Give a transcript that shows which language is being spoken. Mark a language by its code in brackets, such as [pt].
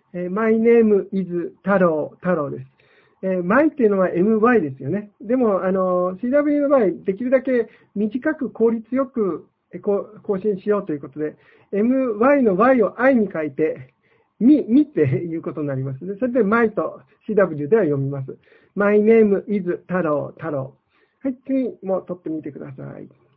[en] My name is [ja] 太郎、太郎です。my っていうのは my ですよね。でも、CW の場合、できるだけ短く効率よく更新しようということで、my の y を i に書いて、みっていうことになりますね。それで my と CW では読みます。 [en] my name is 太郎、太郎。 [ja] はい、次も撮ってみてください。